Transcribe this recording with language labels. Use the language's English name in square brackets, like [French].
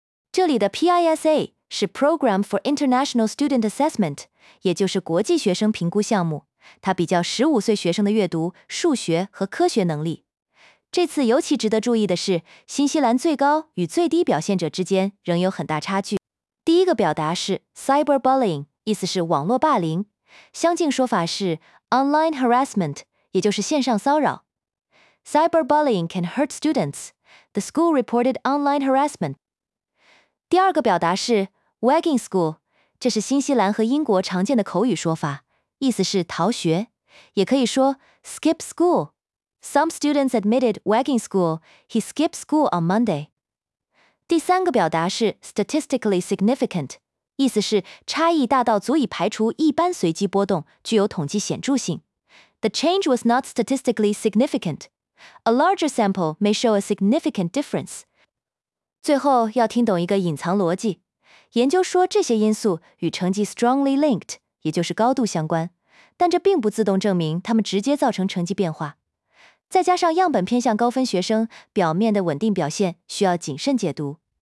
[Chinese] 这里的 PISA 是 Program for International Student Assessment， 也就是国际学生评估项目，它比较15岁学生的阅读、数学和科学能力。这次尤其值得注意的是，新西兰最高与最低表现者之间仍有很大差距。第一个表达是 Cyberbullying， 意思是网络霸凌，相近说法是 [English] online harassment， [Chinese] 也就是线上骚扰。 [English] Cyberbullying can hurt students. The school reported online harassment. [Chinese] 第二个表达是 [English] wagging school， [Chinese] 这是新西兰和英国常见的口语说法，意思是逃学，也可以说 [English] skip school. Some students admitted wagging school. He skipped school on Monday. [Chinese] 第三个表达是 [English] statistically significant， [Chinese] 意思是差异大到足以排除一般随机波动，具有统计显著性。 [English] The change was not statistically significant. A larger sample may show a significant difference. [Chinese] 最后要听懂一个隐藏逻辑，研究说这些因素与成绩 [English] strongly linked， [Chinese] 也就是高度相关，但这并不自动证明它们直接造成成绩变化。再加上样本偏向高分学生，表面的稳定表现需要谨慎解读。